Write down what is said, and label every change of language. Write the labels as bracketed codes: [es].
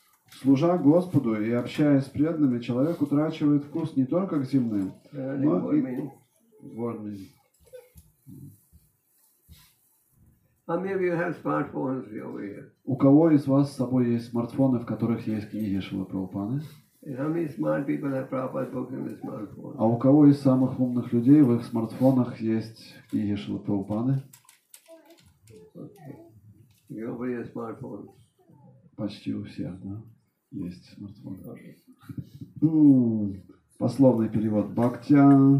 [ru] Служа Господу и общаясь с преданными, человек утрачивает вкус не только к земным, но и к ворным. [en] Some of you have smartphones over here. [ru] У кого из вас с собой есть смартфоны, в которых есть книги Шрилы Прабхупады? [en] How many smart people have Prabhupada's book in their smartphone? [ru] А у кого из самых умных людей в их смартфонах есть книги Шрилы Прабхупады? [en] Okay. You have your smartphone. [ru] Почти у всех, да? Есть смартфон. Пословный перевод. Бхактя.